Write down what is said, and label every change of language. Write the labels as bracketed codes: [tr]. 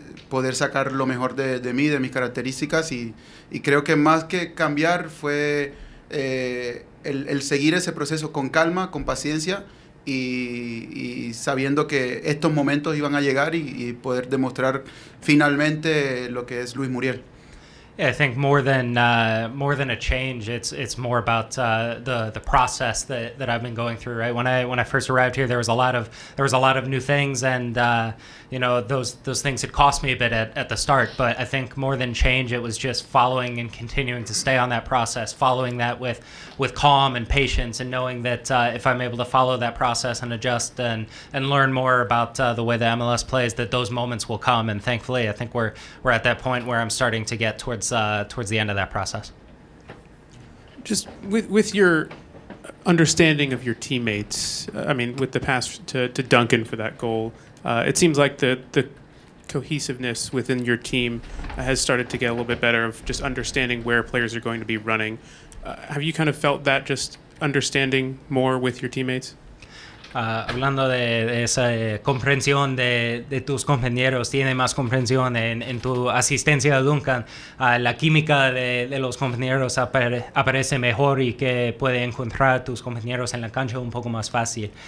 [es] poder sacar lo mejor de mí, de mis características, y creo que más que cambiar fue el seguir ese proceso con calma, con paciencia, y sabiendo que estos momentos iban a llegar y poder demostrar finalmente lo que es Luis Muriel. [en] Yeah, I think more than a change, it's more about the process that, that I've been going through. Right, when I first arrived here, there was a lot of new things, and you know, those things had cost me a bit at the start. But I think more than change, it was just following and continuing to stay on that process, following that with calm and patience, and knowing that if I'm able to follow that process and adjust and learn more about the way the MLS plays, that those moments will come. And thankfully, I think we're at that point where I'm starting to get towards the end of that process. Just with your understanding of your teammates, I mean, with the pass to Duncan for that goal, it seems like the cohesiveness within your team has started to get a little bit better of just understanding where players are going to be running. Have you kind of felt that just understanding more with your teammates? [es] Hablando de esa comprensión de tus compañeros, tiene más comprensión en tu asistencia a Duncan, la química de los compañeros aparece mejor y que puede encontrar tus compañeros en la cancha un poco más fácil.